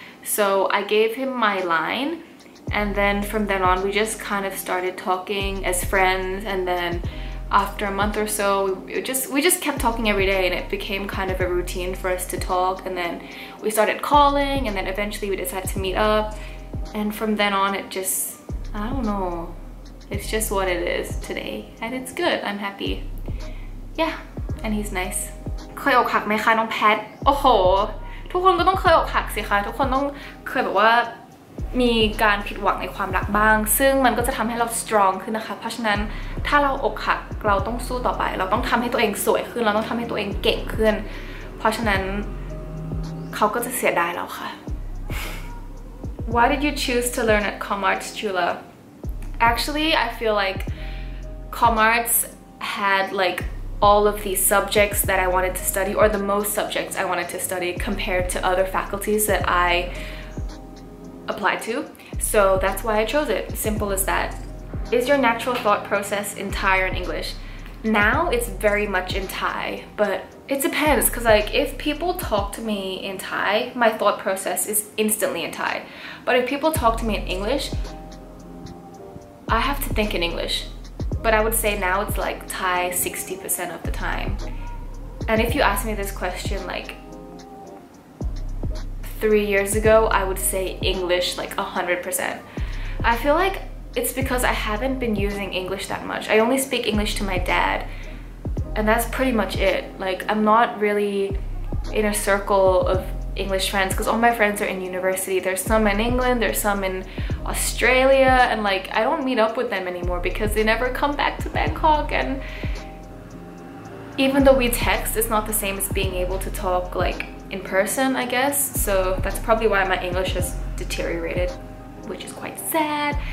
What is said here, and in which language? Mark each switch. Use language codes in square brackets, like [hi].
[en] So I gave him my line and then from then on we just kind of started talking as friends and then after a month or so we just kept talking every day and it became kind of a routine for us to talk and then we started calling and then eventually we decided to meet up and from then on it just, I don't know, it's just what it is today and it's good, I'm happy. Yeah, and he's nice. [th] เคยอกหักไหมคะน้องแพทโอ้โหทุกคนก็ต้องเคยอกหักสิคะทุกคนต้องเคยแบบว่ามีการผิดหวังในความรักบ้างซึ่งมันก็จะทําให้เราสตรองขึ้นนะคะเพราะฉะนั้นถ้าเราอกหักเราต้องสู้ต่อไปเราต้องทําให้ตัวเองสวยขึ้นเราต้องทําให้ตัวเองเก่งขึ้นเพราะฉะนั้นเขาก็จะเสียดายเราค่ะ [en] Why did you choose to learn at Comarts, Chula? Actually, I feel like Comarts had likeall of these subjects that I wanted to study or the most subjects I wanted to study compared to other faculties that I applied to. So that's why I chose it. Simple as that. Is your natural thought process in Thai or in English? Now it's very much in Thai, but it depends because like if people talk to me in Thai, my thought process is instantly in Thai. But if people talk to me in English, I have to think in English. But I would say now it's like Thai 60% of the time. And if you ask me this question like 3 years ago, I would say English like 100%. I feel like it's because I haven't been using English that much. I only speak English to my dad and that's pretty much it. Like I'm not really in a circle of English friends because all my friends are in university. There's some in England, there's some in Australia and like I don't meet up with them anymore because they never come back to Bangkok and even though we text it's not the same as being able to talk like in person I guess so that's probably why my English has deteriorated which is quite sad